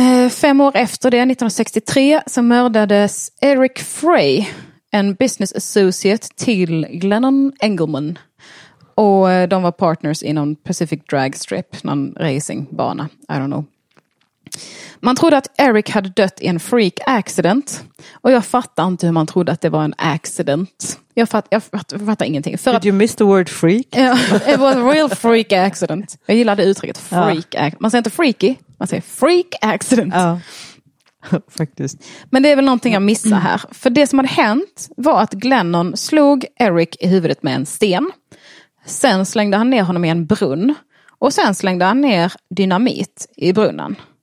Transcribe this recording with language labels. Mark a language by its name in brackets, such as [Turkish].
[Swedish] 5 år efter det, 1963, så mördades Eric Frey, en [English] business associate [Swedish] till Glennon Engelman. Och de var partners inom Pacific Drag Strip, någon racingbana. [English] I don't know. [Swedish] Man trodde att Eric hade dött i en freak accident. Och jag fattar inte hur man trodde att det var en accident. Jag fattar ingenting. För [English] did you miss the word freak? It was a real freak accident. [Swedish] Jag gillade uttrycket freak accident. Man säger inte freaky, man säger freak accident. Ja. Faktiskt. Men det är väl någonting jag missar här. För det som hade hänt var att Glennon slog Eric i huvudet med en sten. Sen slängde han ner honom i en brunn. Och sen slängde han ner dynamit i brunnen.